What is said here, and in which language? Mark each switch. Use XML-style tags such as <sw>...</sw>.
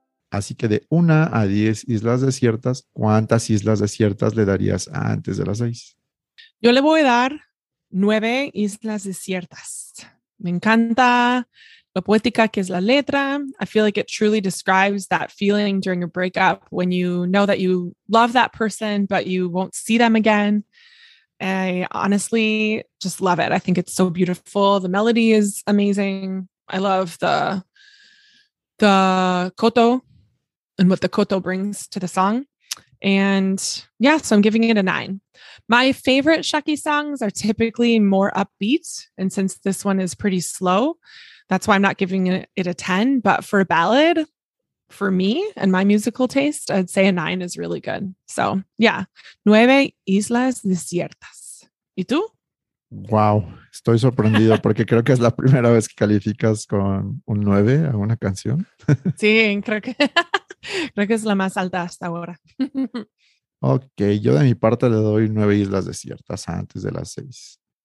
<es>Así que de 1 a 10 islas desiertas, ¿cuántas islas desiertas le darías a Antes de las 6? Yo le voy a dar 9 islas desiertas. Me encanta lo poética que es la letra.</es> <en>I feel like it truly describes that feeling during a breakup when you know that you love that person, but you won't see them again. I honestly just love it. I think it's so beautiful. The melody is amazing. I love the koto and what the koto brings to the song. And yeah, so I'm giving it a 9. My favorite Shaki songs are typically more upbeat. And since this one is pretty slow, that's why I'm not giving it a 10. But for a ballad, for me and my musical taste, I'd say a 9 is really good. So yeah,</en> <es>9 islas desiertas. ¿Y tú? Wow, estoy sorprendido porque creo que es la primera vez que calificas con un 9 a una canción. Sí, creo que es la más alta hasta ahora. Ok, yo de mi parte le doy 9 islas desiertas antes de las 6.</es>